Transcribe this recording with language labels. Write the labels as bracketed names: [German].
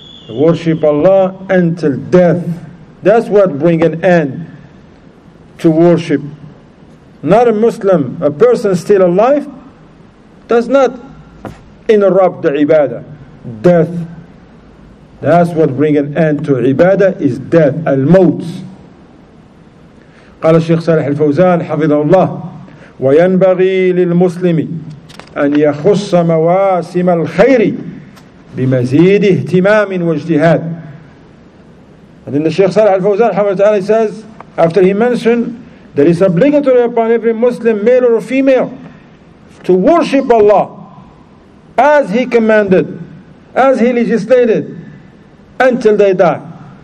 [English] Worship Allah until death. That's what brings an end to worship. Not a Muslim, a person still alive, does not interrupt the ibadah. Death That's what bring an end to ibadah, is death, al-maut. [Arabic] قال الشيخ صالح الفوزان حفظه الله وينبغي للمسلم أن يخص مواسم الخير بمزيد اهتمام واجتهاد. [English] And then the Shaykh Salih al-Fawzan, he says, after he mentioned that it's obligatory upon every Muslim, male or female, to worship Allah as he commanded, as he legislated, until they die.